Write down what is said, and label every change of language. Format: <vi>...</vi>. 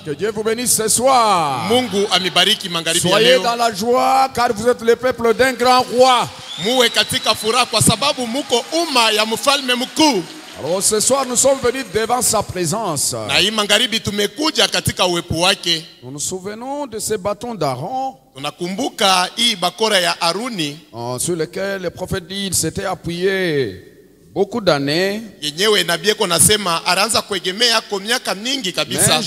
<fr>Que Dieu vous bénisse ce soir.</fr> <sw>Mungu amibariki mangaribi.</sw> <fr>Soyez dans la joie car vous êtes le peuple d'un grand roi.</fr> <sw>Muwe katika furaha kwa sababu muko umma ya mfalme mkuu.</sw> <fr>Alors ce soir nous sommes venus devant sa présence.</fr> <sw>Na hii mangaribi tumekuja katika uwepo wake.</sw> <fr>Nous nous souvenons de ces bâtons d'Aaron.</fr> <sw>Tunakumbuka hii bakora ya Aruni.</sw> <fr>Sur lequel le prophète dit il s'était appuyé beaucoup d'années.</fr> <sw>Yenyewe nabieko nasema aranza kuegemea kwa miaka mingi kabisa.</sw>